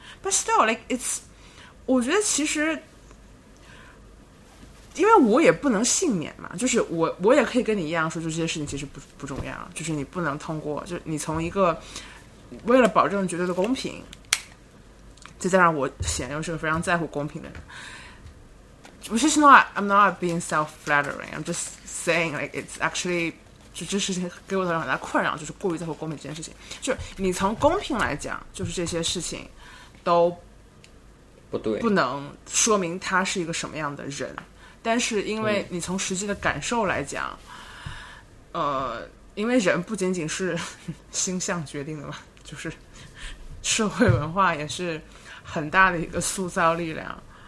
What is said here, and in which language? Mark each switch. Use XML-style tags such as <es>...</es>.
<en>But still, like it's，</en> <zh>我觉得其实，因为我也不能幸免嘛，就是我也可以跟你一样说，就这些事情其实不重要，就是你不能通过，就你从一个为了保证绝对的公平，再加上我显然是个非常在乎公平的人。</zh> <en>Which is not, I'm not being self-flattering. I'm just saying, like it's actually。</en> <zh>就这事情给我造成很大困扰，就是过于在乎公平这件事情。就你从公平来讲，就是这些事情都不对，不能说明他是一个什么样的人。但是因为你从实际的感受来讲，因为人不仅仅是星象决定的嘛，就是社会文化也是很大的一个塑造力量。</zh>